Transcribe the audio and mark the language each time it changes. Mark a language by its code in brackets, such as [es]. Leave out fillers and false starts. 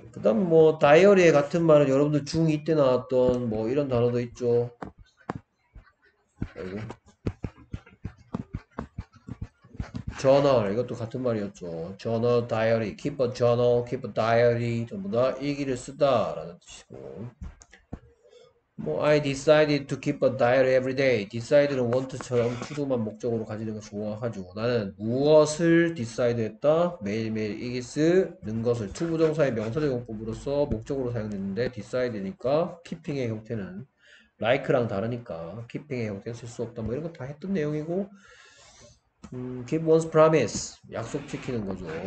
[ko] 그다음 뭐 다이어리에 같은 말은 여러분들 중2 때 나왔던 뭐 이런 단어도 있죠. 아이고. 저널 이것도 같은 말이었죠. 저널 다이어리 [en] keep a journal keep a diary [ko] 전부 다 일기를 쓰다라는 뜻이고. [en] 뭐, I decided to keep a diary every day. [ko] Decided는 want처럼 to도만 목적으로 가지는 걸 좋아하죠. 나는 무엇을 decide했다? 매일매일 이기 쓰는 것을 to 부정사의 명사적 용법으로서 목적으로 사용됐는데 decided니까 keeping의 형태는 like랑 다르니까 keeping의 형태는 쓸수 없다. 뭐 이런 거다 했던 내용이고 [en] keep one's promise [ko] 약속 지키는 거죠.